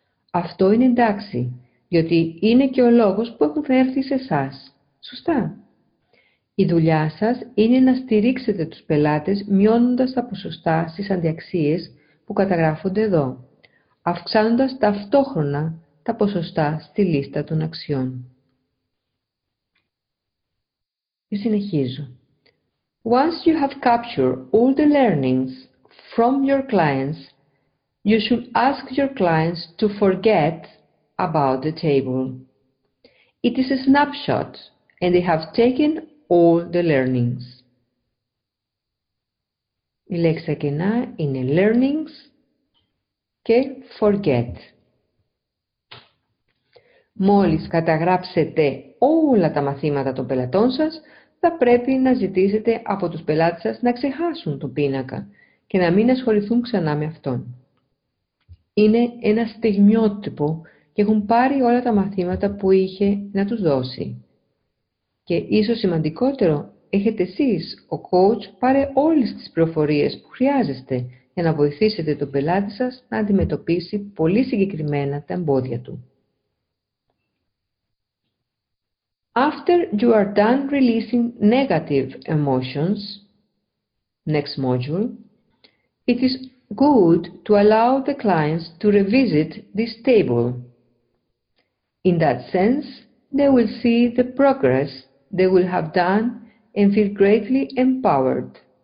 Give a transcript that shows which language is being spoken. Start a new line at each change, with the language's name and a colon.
Greek: Αυτό είναι εντάξει, διότι είναι και ο λόγος που έχουν έρθει σε εσάς. Σωστά. Η δουλειά σας είναι να στηρίξετε τους πελάτες μειώνοντας τα ποσοστά στις αντιαξίες που καταγράφονται εδώ, αυξάνοντας ταυτόχρονα τα ποσοστά στη λίστα των αξιών. Και συνεχίζω.
English: Once you have captured all the learnings from your clients, you should ask your clients to forget about the table. It is a snapshot and they have taken all the learnings.
Greek: Η λέξη κενά είναι learnings και forget. Μόλις καταγράψετε όλα τα μαθήματα των πελατών σας, θα πρέπει να ζητήσετε από τους πελάτες σας να ξεχάσουν τον πίνακα και να μην ασχοληθούν ξανά με αυτόν. Είναι ένα στιγμιότυπο και έχουν πάρει όλα τα μαθήματα που είχε να τους δώσει. Και ίσως σημαντικότερο, έχετε εσείς, ο coach, πάρει όλες τις πληροφορίες που χρειάζεστε για να βοηθήσετε τον πελάτη σας να αντιμετωπίσει πολύ συγκεκριμένα τα εμπόδια του.
English: After you are done releasing negative emotions, next module, it is good to allow the clients to revisit this table. In that sense, they will see the progress they will have done and feel greatly empowered.